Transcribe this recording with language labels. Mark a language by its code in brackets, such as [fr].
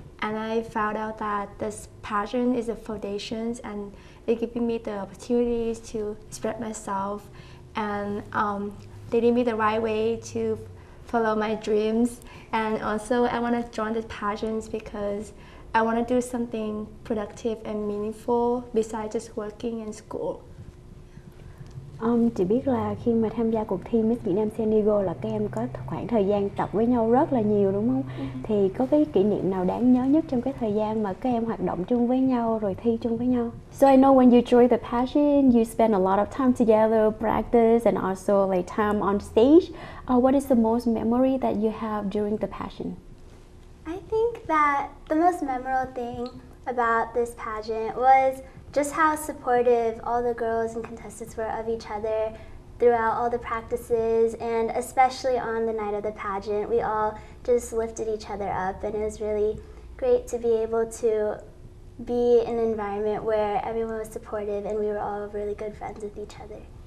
[en] And I found out that this pageant is a foundation and it's giving me the opportunities to spread myself and leading me the right way to follow my dreams. And also I want to join this pageant because I want to do something productive and meaningful besides just working in school. [vi] Chị biết là khi mà tham gia cuộc thi Miss Việt Nam San Diego là các em có khoảng thời gian tập với nhau rất là nhiều đúng không? Thì có cái kỷ niệm nào đáng nhớ nhất trong cái thời gian mà các em hoạt động chung với nhau rồi thi chung với nhau? [en] So I know when you join the pageant, you spend a lot of time together, practice and also like time on stage. What is the most memory that you have during the pageant? I think that the most memorable thing about this pageant was just how supportive all the girls and contestants were of each other throughout all the practices, and especially on the night of the pageant, we all just lifted each other up, and it was really great to be able to be in an environment where everyone was supportive and we were all really good friends with each other.